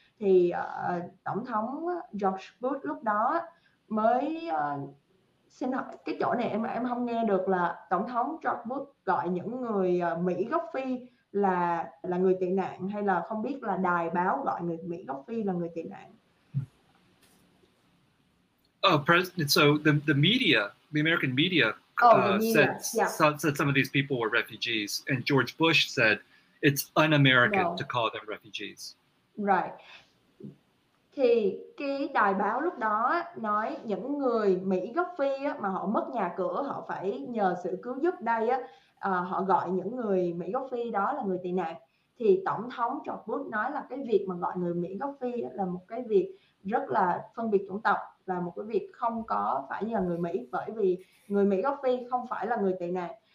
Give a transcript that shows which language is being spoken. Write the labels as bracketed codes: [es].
[vi] Thì Tổng thống George Bush lúc đó mới xin hỏi cái chỗ này em không nghe được là Tổng thống George Bush gọi những người Mỹ gốc Phi là người tị nạn hay là không biết là đài báo gọi người Mỹ gốc Phi là người tị nạn. [en] So the media, the American media said some of these people were refugees, and George Bush said it's un-American to call them refugees. Right. [vi] Thì cái đài báo lúc đó nói những người Mỹ gốc Phi á, mà họ mất nhà cửa, họ phải nhờ sự cứu giúp đây á, họ gọi những người Mỹ gốc Phi đó là người tị nạn. Thì Tổng thống George Bush nói là cái việc mà gọi người Mỹ gốc Phi á, là một cái việc rất là phân biệt chủng tộc, là một cái việc không có phải nhờ người Mỹ, bởi vì người Mỹ gốc Phi không phải là người tị nạn.